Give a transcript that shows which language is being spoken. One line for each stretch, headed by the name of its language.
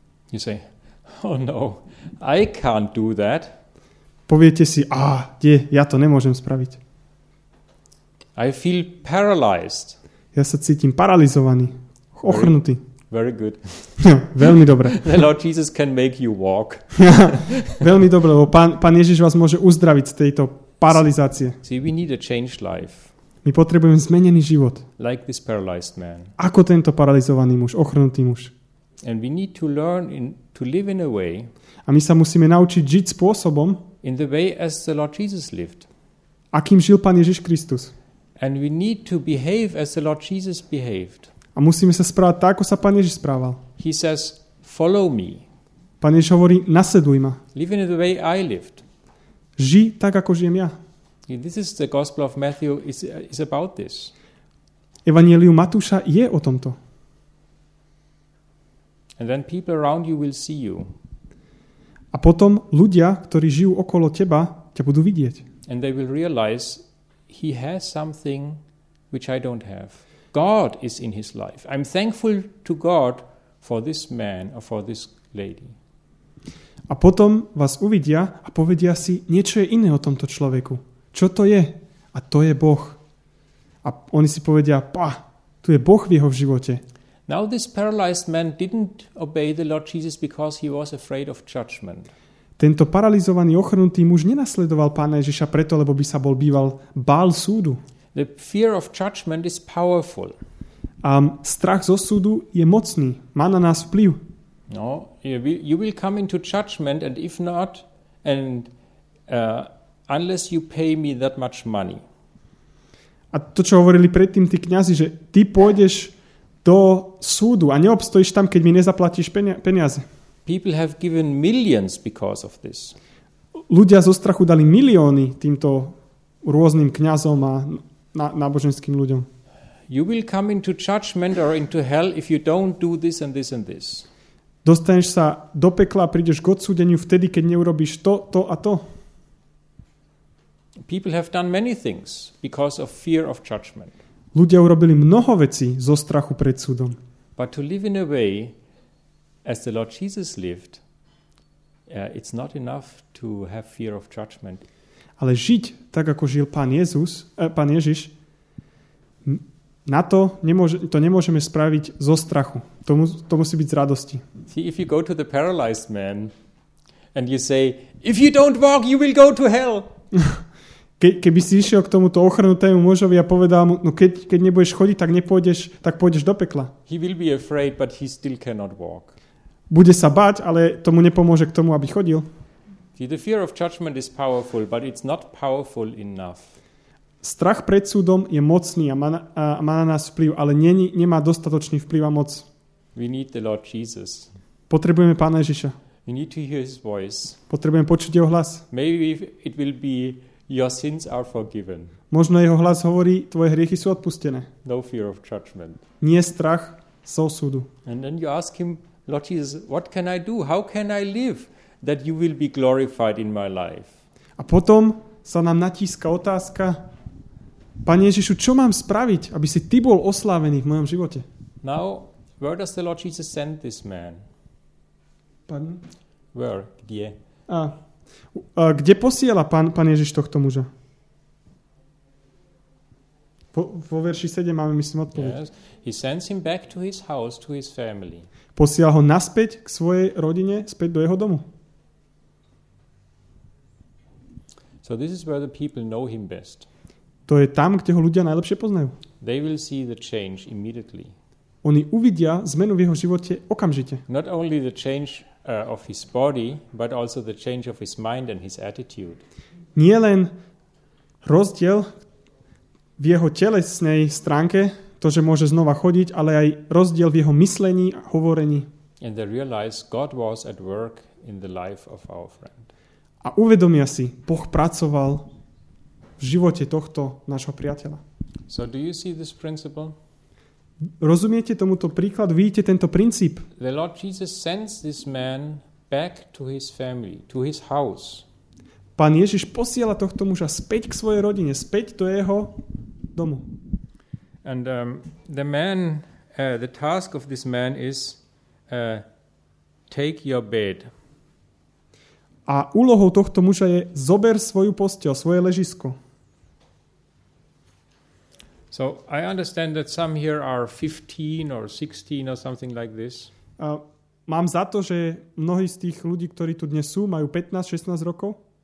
English: You say, oh no, I can't do that.
Slovak: Poviete si, ja to nemôžem spraviť.
English: I feel paralyzed.
Slovak: Ja sa cítim paralyzovaný. Ochrnutý.
English: Very good.
Slovak: Veľmi dobre.
English: The Lord Jesus can make you walk.
Slovak: Veľmi dobre, lebo Pán Ježiš vás môže uzdraviť z tejto paralizácie.
English: See, we need a changed life.
Slovak: My potrebujeme zmenený život.
English: Like this paralyzed man.
Slovak: Ako tento paralizovaný muž, ochrnutý muž.
English: And we need to learn to live in a way.
Slovak: A my sa musíme naučiť žiť spôsobom.
English: In the way as the Lord Jesus lived.
Slovak: Akým žil Pán Ježiš Kristus.
English: And we need to behave as the Lord Jesus behaved.
Slovak: A musíme sa správať tak, ako sa Pán Ježiš správal.
English: He says, follow me.
Slovak: Pán Ježiš hovorí, nasleduj ma.
English: Live in the way I lived.
Slovak: Ži tak, ako žijem ja.
English: This is the gospel of Matthew is about this.
Slovak: Evanjelium Matúša je o tomto.
English: And then people around you will see you.
Slovak: A potom ľudia, ktorí žijú okolo teba, ťa budú vidieť.
English: And they will realize he has something which I don't have. God is in his life. I'm thankful to God for this man or for this lady.
Slovak: A potom vás uvidia a povedia si niečo je iné o tomto človeku. Čo to je? A to je Boh. A oni si povedia, pá, tu je Boh v jeho živote.
English: Now this paralyzed man didn't obey the Lord Jesus because he was afraid of judgment.
Slovak: Tento paralizovaný ochrnutý muž nenasledoval Pána Ježiša preto, lebo by sa bol býval bál súdu.
English: The fear of judgment is powerful.
Slovak: A strach zo súdu je mocný, má na nás vplyv.
English: No, you will come into judgment and if not and unless you pay me that much money.
Slovak: A to, čo hovorili predtým tí kňazi, že ty pôjdeš do súdu a neobstojíš tam, keď mi nezaplatíš peniaze.
English: People have given millions because of this.
Slovak: Ľudia zo strachu dali milióny týmto rôznym kňazom a náboženským ľuďom.
English: You will come into judgment or into hell if you don't do this and this and this.
Slovak: Dostaneš sa do pekla a prídeš k odsúdeniu vtedy, keď neurobíš to, to a to.
English: People have done many things because of fear of judgment.
Slovak: Ľudia urobili mnoho vecí zo strachu pred súdom.
English: But to live in a way as the Lord Jesus lived, it's not enough to have fear of judgment.
Slovak: Ale žiť tak, ako žil Pán Ježiš, na to nemôžeme spraviť zo strachu. To musí byť z radosti.
English: See, if you go to the paralyzed man and you say, if you don't walk, you will go to hell.
Slovak: Keby si išiel k tomuto ochrnutému mužovi a povedal mu, no keď nebudeš chodiť, tak pôjdeš do pekla.
English: He will be afraid, but he still cannot walk.
Slovak: Bude sa bať, ale tomu nepomôže k tomu, aby chodil.
English: See, the fear of judgment is powerful, but it's not powerful enough.
Slovak: Strach pred súdom je mocný a má na nás vplyv, ale nemá dostatočný vplyv a moc.
English: We need the Lord Jesus.
Slovak: Potrebujeme Pána Ježiša.
English: We need to hear his voice.
Slovak: Potrebujeme počuť jeho hlas.
English: Maybe it will be your sins are forgiven.
Slovak: Možno jeho hlas hovorí, tvoje hriechy sú odpustené.
English: No fear of judgment.
Slovak: Nie strach z súdu.
English: And then you ask him, Lord Jesus, what can I do? How can I live that you will be glorified in my life?
Slovak: A potom sa nám natíska otázka, Pane Ježišu, čo mám spraviť, aby si ty bol oslávený v mojom živote?
English: Now, where does the Lord Jesus send this man? Pardon? Where?
Slovak: Kde? Kde posiela pán Ježiš tohto muža? Vo verši 7 máme, myslím, odpoveď.
English: Yes. He sends him back to his house, to his family.
Slovak: Posiela ho naspäť k svojej rodine, späť do jeho domu.
English: So this is where the people know him best.
Slovak: To je tam, kde ho ľudia najlepšie poznajú.
English: They will see the change immediately.
Slovak: Oni uvidia zmenu v jeho živote okamžite.
English: Not only the change of his body, but also the change of his mind and his attitude.
Slovak: Nie len rozdiel v jeho telesnej stránke, to, že môže znova chodiť, ale aj rozdiel v jeho myslení a hovorení.
English: And they realize God was at work in the life of our friend.
Slovak: A uvedomia si, Boh pracoval v živote tohto nášho priateľa.
English: So do you see this principle?
Slovak: Rozumiete tomuto príklad? Vidíte tento princíp?
English: The Lord Jesus sends this man back to his family, to his house.
Slovak: Pán Ježiš posiela tohto muža späť k svojej rodine, späť do jeho domu.
English: And the man, the task of this man is take your bed.
Slovak: A úlohou tohto muža je zober svoju posteľ, svoje ležisko.
English: So I understand that some here are 15 or 16 or something like this.
Slovak: Mám za to, že mnohí z tých ľudí, ktorí tu dnes sú, majú 15-16 rokov.